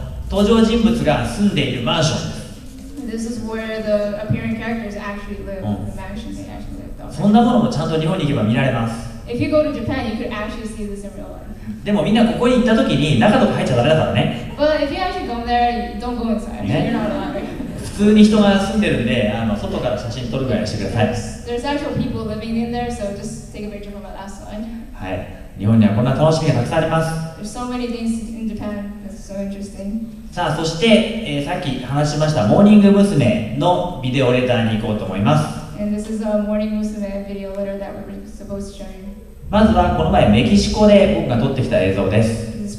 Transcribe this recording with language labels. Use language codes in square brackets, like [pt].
[ja] 登場人物が住んでいるマンション。 [en] This is where the appearing characters actually live. The mansion they actually live. [ja] そんなものもちゃんと日本に行けば見られます。 [en] If you go to Japan, you could actually see this in real life. [ja] でもみんなここに行ったときに中とか入っちゃダメだからね。 [en] But if you actually go there, don't go inside. You're not allowed. [ja] 普通に人が住んでるんで、外から写真撮るぐらいしてください。 [en] There's actual people living in there, so just take a picture from the outside. [ja] はい。日本にはこんな楽しみがたくさんあります。 [en] There's so many things in Japan that's so interesting. [ja] さあ、そして、さっき話しましたモーニング娘。のビデオレターに行こうと思います。 [en] And this is a morning 娘 video letter that we're supposed to show you. [ja] まずはこの前メキシコで僕が撮ってきた映像です。